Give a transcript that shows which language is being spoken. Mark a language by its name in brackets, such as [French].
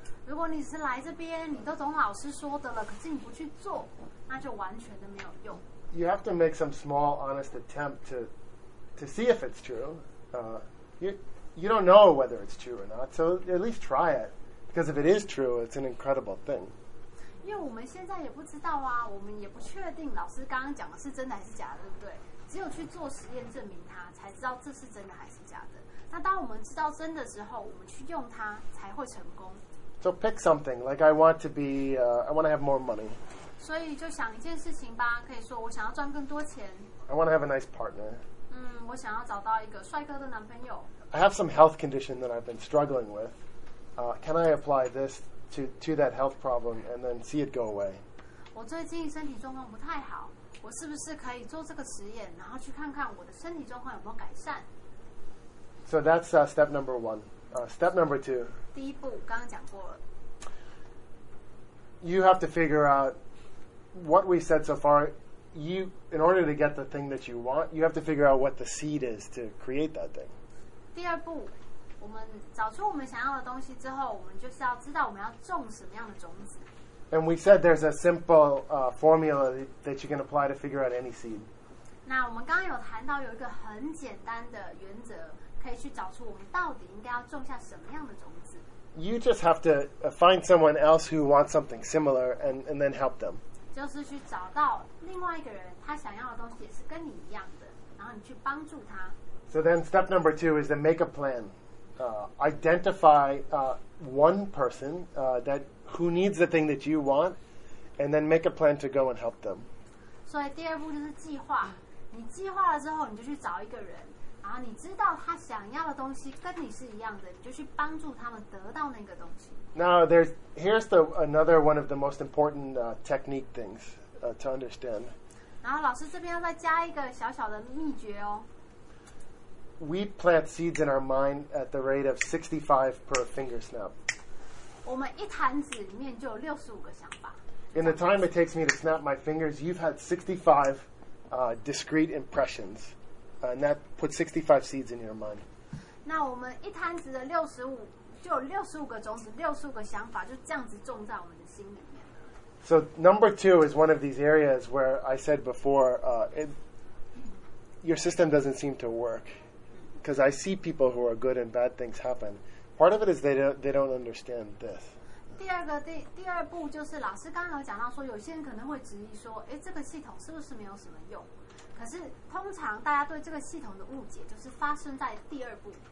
[Chinese] 如果你是来这边，你都懂老师说的了，可是你不去做，那就完全的没有用。 [English] You have to make some small, honest attempt to see if it's true. You don't know whether it's true or not, so at least try it. Because if it is true, it's an incredible thing. [Chinese] 因为我们现在也不知道啊，我们也不确定老师刚刚讲的是真的还是假的，对不对？只有去做实验证明它，才知道这是真的还是假的。那当我们知道真的时候，我们去用它才会成功。 [English] So pick something, like I want to be, I want to have more money. [Chinese] 所以就想一件事情吧，可以说我想要赚更多钱。 [English] I want to have a nice partner. [Chinese] 我想要找到一个帅哥的男朋友。 [English] I have some health condition that I've been struggling with. Can I apply this to that health problem and then see it go away? [Chinese] 我最近身体状况不太好，我是不是可以做这个实验，然后去看看我的身体状况有没有改善？ [English] So that's step number one. Step number two. [Chinese] 第一步刚刚讲过了。 [English] You have to figure out what we said so far. You, in order to get the thing that you want, you have to figure out what the seed is to create that thing. [Chinese] 第二步，我们找出我们想要的东西之后，我们就是要知道我们要种什么样的种子。 [English] And we said there's a simple formula that you can apply to figure out any seed. [Chinese] 那我们刚刚有谈到有一个很简单的原则，可以去找出我们到底应该要种下什么样的种子。 [English] You just have to find someone else who wants something similar and then help them. [Chinese] 就是去找到另外一个人，他想要的东西也是跟你一样的，然后你去帮助他。 [English] So then step number two is to make a plan. Identify one person who needs the thing that you want and then make a plan to go and help them. [Chinese] 所以第二步就是计划，你计划了之后你就去找一个人。然后你知道他想要的东西跟你是一样的，你就去帮助他们得到那个东西。 [English] Now here's the another one of the most important technique things to understand. [Chinese] 然后老师这边要再加一个小小的秘诀哦。 [English] We plant seeds in our mind at the rate of 65 per finger snap. [Chinese] 我们一坛子里面就有65个想法。 [English] In the time it takes me to snap my fingers, you've had 65 discrete impressions. And that put 65 seeds in your mind. [Chinese] 那我们一摊子的65，就有65个种子，65个想法，就这样子种在我们的心里面。 [English] So number two is one of these areas where I said before, your system doesn't seem to work. Because I see people who are good and bad things happen. Part of it is they don't understand this. [Chinese] 第二步就是老师刚刚有讲到说，有些人可能会质疑说，哎，这个系统是不是没有什么用？可是通常大家对这个系统的误解就是发生在第二步。